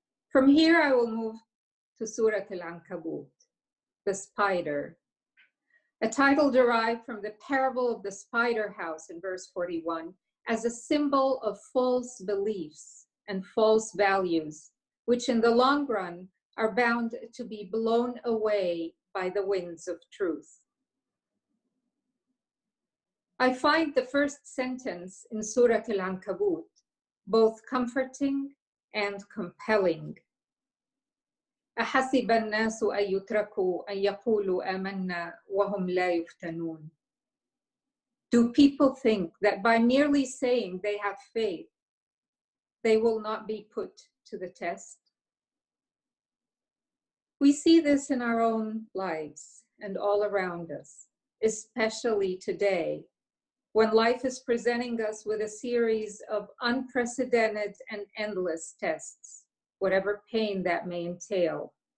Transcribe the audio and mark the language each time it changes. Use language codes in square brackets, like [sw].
[en] From here, I will move to Surat Al-Ankabut, the spider, a title derived from the parable of the spider house in verse 41 as a symbol of false beliefs and false values, which in the long run are bound to be blown away by the winds of truth. I find the first sentence in Surat Al-Ankabut both comforting and compelling. [ar] أحسب الناس أن يتركوا أن يقولوا آمنا وهم لا يفتنون. [en] Do people think that by merely saying they have faith, they will not be put to the test? We see this in our own lives and all around us, especially today, when life is presenting us with a series of unprecedented and endless tests, whatever pain that may entail.